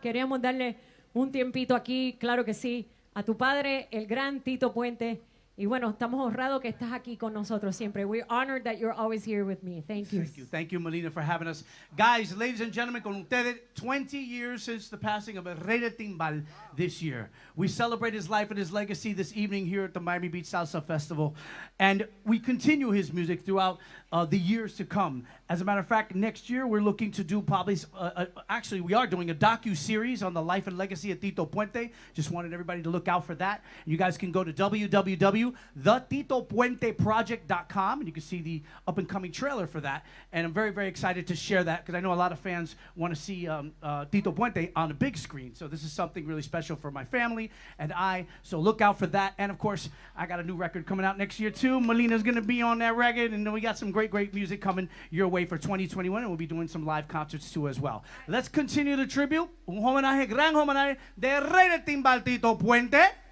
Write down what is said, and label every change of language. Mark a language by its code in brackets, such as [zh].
[es] Queríamos darle un tiempito aquí, claro que sí, a tu padre, el gran Tito Puente. Y bueno, estamos honrados que estás aquí con nosotros siempre. [en] We're honored that you're always here with me. Thank you. Thank you. Thank you, Melina, for having us. Guys, ladies and gentlemen, [es] con ustedes, [en] 20 years since the passing of El Rey de Timbal this year. We celebrate his life and his legacy this evening here at the Miami Beach Salsa Festival. And we continue his music throughout the years to come. As a matter of fact, next year we're looking to do probably, actually we are doing a docu-series on the life and legacy of Tito Puente. Just wanted everybody to look out for that. You guys can go to www.thetitopuenteproject.com and you can see the up and coming trailer for that. And I'm very, very excited to share that because I know a lot of fans want to see Tito Puente on a big screen. So this is something really special for my family and I. So look out for that. And of course, I got a new record coming out next year too. Melina's going to be on that record. And then we got some great, great music coming your way for 2021. And we'll be doing some live concerts too as well. Let's continue the tribute. [es] Un homenaje, gran homenaje de Rey de Timbal Tito Puente.